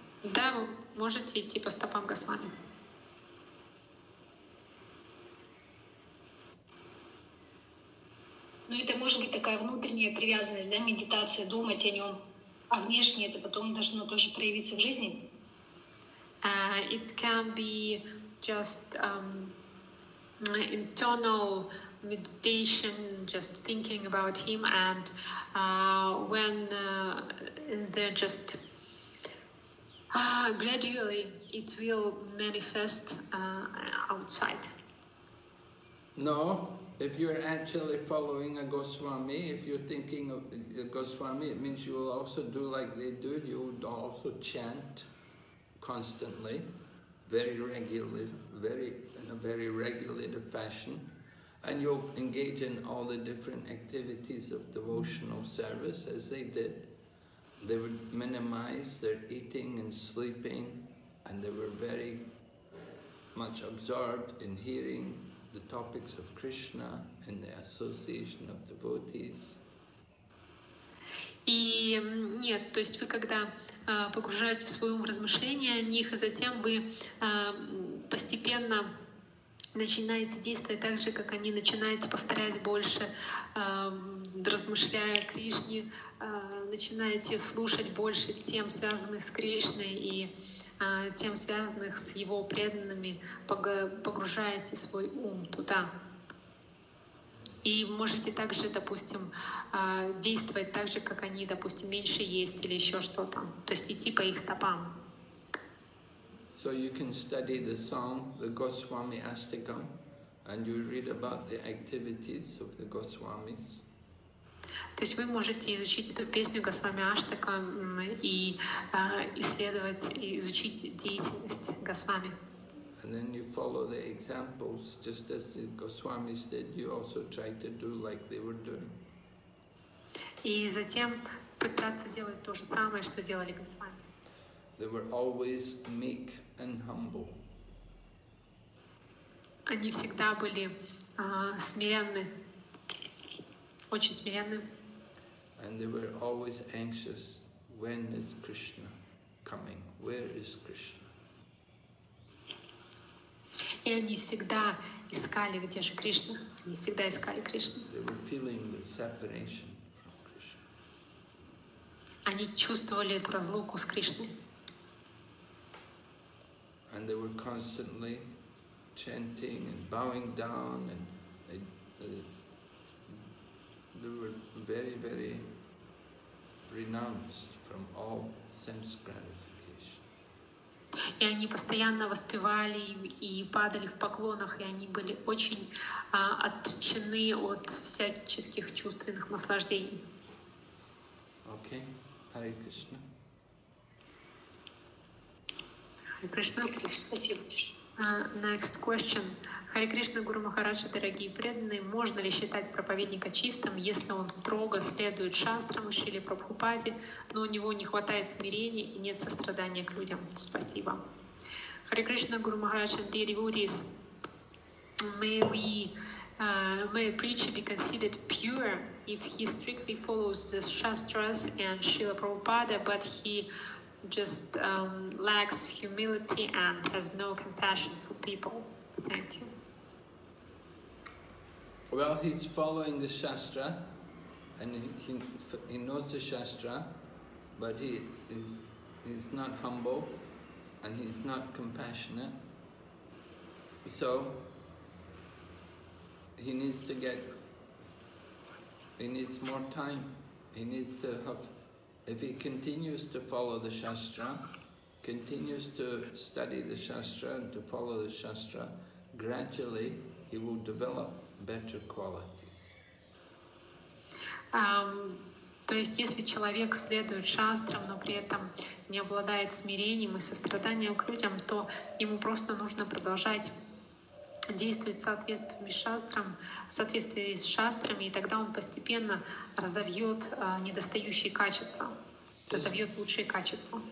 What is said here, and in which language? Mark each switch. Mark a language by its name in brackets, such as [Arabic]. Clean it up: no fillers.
[Russian] Да, вы можете идти по стопам Госвами. Ну, это может быть такая внутренняя привязанность, да, медитация, думать о нем. А внешне это потом должно тоже проявиться в жизни. [English] It can be just internal meditation, just thinking about him, and when they're just gradually it will manifest outside. No, if you're actually following a Goswami, if you're thinking of a Goswami, it means you will also do like they do. You would also chant constantly, very regularly, in a very regulated fashion, and you'll engage in all the different activities of devotional service as they did. They would minimize their eating and sleeping, and they were very much absorbed in hearing the topics of Krishna and the association of devotees. [Russian] И нет, то есть вы когда погружаете свой ум в размышления о них, и затем вы постепенно начинаете действовать так же, как они, начинаете повторять больше, размышляя о Кришне, начинаете слушать больше тем, связанных с Кришной, и тем, связанных с Его преданными, погружаете свой ум туда. И можете также, допустим, действовать так же, как они, допустим, меньше есть или еще что-то, то есть идти по их стопам. [English] So you can study the song, the Goswami Astakam, and you read about the activities of the Goswamis. [Russian] То есть вы можете изучить эту песню Госвами Аштакам и исследовать, и изучить деятельность Госвами. [English] And then you follow the examples, just as the Goswamis did, you also try to do like they were doing. [Russian] И затем пытаться делать то же самое, что делали Госвами. [English] They were always meek and humble. [Russian] Они всегда были смиренны, очень смиренны. [English] And they were always anxious, when is Krishna coming, where is Krishna? [Russian] И они всегда искали, где же Кришна. Они всегда искали Кришну. [English] They were feeling the separation from Krishna. [Russian] Они чувствовали эту разлуку с Кришной. [English] And they were constantly chanting and bowing down, and they were very, very renounced from all sense gratification. [Russian] И они постоянно воспевали и падали в поклонах, и они были очень отречены от всяческих чувственных наслаждений. Окей. Харе Кришна. Харе Кришна. Спасибо. [English] Next question. [Russian] Харе Кришна, Гуру Махараджа, дорогие преданные, можно ли считать проповедника чистым, если он строго следует шастрам Шрили Прабхупаде, но у него не хватает смирения и нет сострадания к людям? Спасибо. [English] Hare Krishna, Guru Maharaj and dear devotees, may a preacher be considered pure if he strictly follows the Shastras and Srila Prabhupada, but he just lacks humility and has no compassion for people. Thank you. Well, he's following the Shastra, and he knows the Shastra, but he's not humble. And he's not compassionate, so he needs to get, he needs more time, he needs to have, if he continues to follow the Shastra, continues to study the Shastra and to follow the Shastra, gradually he will develop better qualities. [Russian] То есть, если человек следует шастрам, но при этом не обладает смирением и состраданием к людям, то ему просто нужно продолжать действовать в соответствии с шастрами, и тогда он постепенно разовьет недостающие качества, разовьет лучшие качества.